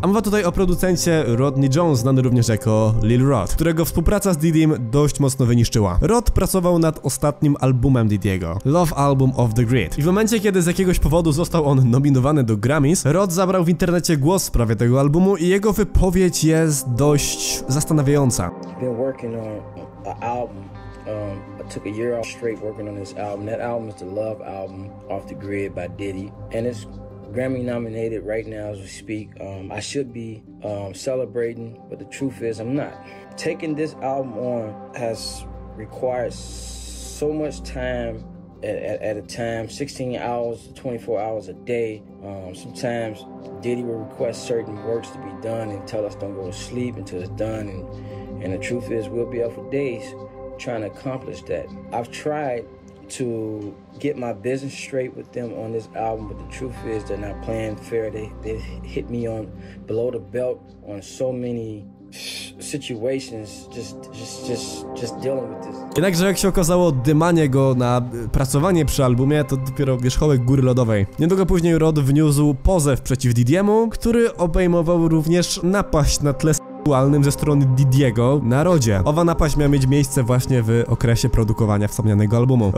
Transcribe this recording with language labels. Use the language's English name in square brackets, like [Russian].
[Polish] A mowa tutaj o producencie Rodney Jones, znany również jako Lil Rod, którego współpraca z Diddym dość mocno wyniszczyła. Rod pracował nad ostatnim albumem Diddy'ego, Love Album of the Great. I w momencie, kiedy z jakiegoś powodu został on nominowany do Grammys, Rod zabrał w internecie głos w sprawie tego albumu i jego wypowiedź jest dość zastanawiająca. [English] Been working on an album. I took a year off straight working on this album. That album is the Love Album, Off the Grid by Diddy. And it's Grammy nominated right now as we speak. I should be celebrating, but the truth is I'm not. Taking this album on has required so much time at a time, 16 hours, 24 hours a day. Sometimes Diddy will request certain works to be done and tell us don't go to sleep until it's done. And the truth is we'll be up for days trying to accomplish that. I've tried to get my business straight with them on this album, but the truth is they're not playing fair. They hit me on below the belt on so many situations just dealing with this. [Polish] Jednakże jak się okazało, dymanie go na pracowanie przy albumie to dopiero wierzchołek góry lodowej. Niedługo później Rod wniósł pozew przeciw Diddy'emu, który obejmował również napaść na tle ze strony Diddy'ego na Rodzie. Owa napaść miała mieć miejsce właśnie w okresie produkowania wspomnianego albumu.